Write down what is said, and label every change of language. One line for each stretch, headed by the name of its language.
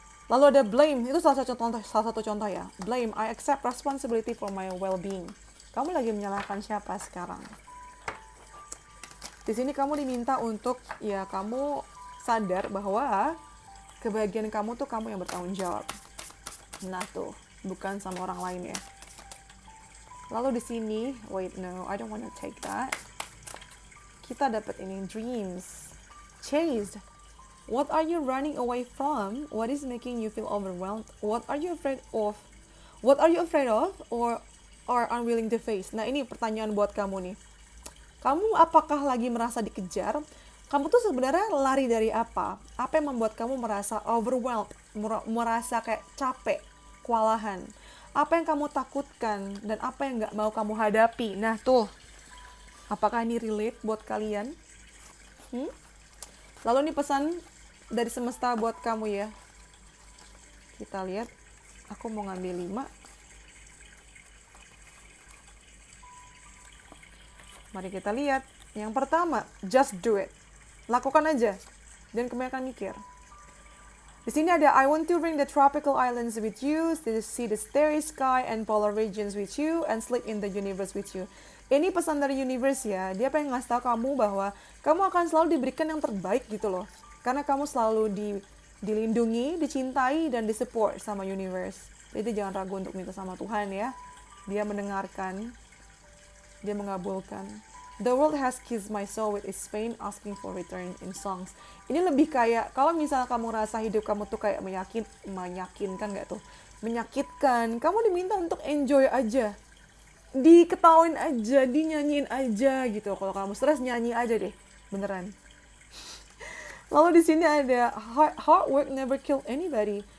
Indonesian: Lalu ada blame, itu salah satu contoh ya.
English: Blame, I accept responsibility for my well-being.
Indonesian: Kamu lagi menyalahkan siapa sekarang? Di sini kamu diminta untuk ya kamu sadar bahwa kebahagiaan kamu tuh kamu yang bertanggung jawab. Nah tuh, bukan sama orang lain ya. Lalu di sini,
English: wait no, I don't wanna take that.
Indonesian: Kita dapat ini,
English: dreams. Chased. What are you running away from? What is making you feel overwhelmed? What are you afraid of? What are you afraid of or are unwilling to face?
Indonesian: Nah ini pertanyaan buat kamu nih. Kamu apakah lagi merasa dikejar? Kamu tuh sebenarnya lari dari apa? Apa yang membuat kamu merasa overwhelmed? Merasa kayak capek, kewalahan? Apa yang kamu takutkan dan apa yang gak mau kamu hadapi? Nah tuh, apakah ini relate buat kalian? Lalu ini pesan dari semesta buat kamu ya. Kita lihat, aku mau ngambil 5. Mari kita lihat. Yang pertama,
English: just do it.
Indonesian: Lakukan aja. Dan kebanyakan mikir. Di sini ada,
English: I want to ring the tropical islands with you, see the starry sky and polar regions with you, and sleep in the universe with you.
Indonesian: Ini pesan dari universe ya. Dia pengen ngasih tahu kamu bahwa kamu akan selalu diberikan yang terbaik gitu loh. Karena kamu selalu dilindungi, dicintai, dan disupport sama universe. Jadi jangan ragu untuk minta sama Tuhan ya. Dia mendengarkan. Dia mengabulkan.
English: The world has kissed my soul with its pain, asking for return in songs.
Indonesian: Ini lebih kayak, kalau misalnya kamu rasa hidup kamu tuh kayak menyakinkan gak tuh? Menyakitkan. Kamu diminta untuk enjoy aja. Diketawain aja, dinyanyiin aja gitu. Kalau kamu stres, nyanyi aja deh. Beneran. Lalu di sini ada,
English: hard work never killed anybody.